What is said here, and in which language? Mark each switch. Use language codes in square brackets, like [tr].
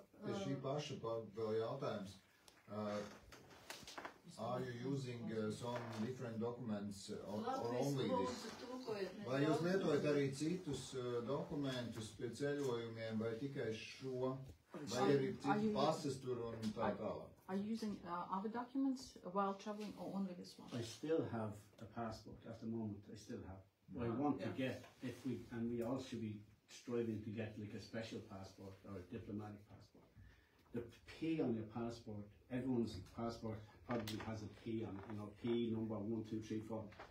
[lv] Es šī paša vēl jautājums. [en] Are you using some different documents or only this? [lv] Vai jūs lietojat arī citus dokumentus pie ceļojumiem vai tikai šo? Vai ir citi pases tur un tā tālāk? [en] Are you using other documents while traveling or only this one? I still have a passport at the moment. I still have. Yeah. I want to get, if we, and we all should be striving to get like a special passport or a diplomatic passport. The P on your passport, everyone's passport probably has a P on it, you know, P number 1, 2, 3, 4.